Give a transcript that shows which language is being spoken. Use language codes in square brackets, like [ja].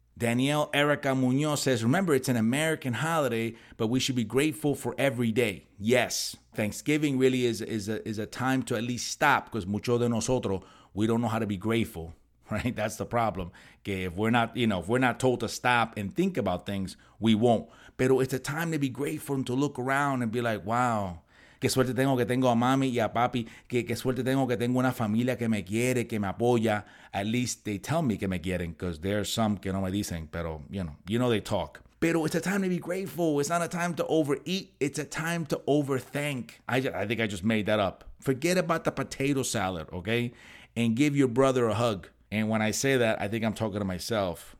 [en] Danielle Erica Munoz says, remember, it's an American holiday, but we should be grateful for every day. Yes, Thanksgiving really is a time to at least stop, because [es] mucho de nosotros, [en] we don't know how to be grateful, right? That's the problem. Okay, if we're not told to stop and think about things, we won't. Pero it's a time to be grateful and to look around and be like, wow, [es] qué suerte tengo que tengo a mami y a papi, qué suerte tengo que tengo una familia que me quiere, que me apoya. [en] At least they tell me [es] que me quieren, [en] because there are some [es] que no me dicen, pero [en] you know they talk. Pero it's a time to be grateful. It's not a time to overeat. It's a time to overthink. I think I just made that up. Forget about the potato salad, okay? And give your brother a hug. And when I say that, I think I'm talking to myself.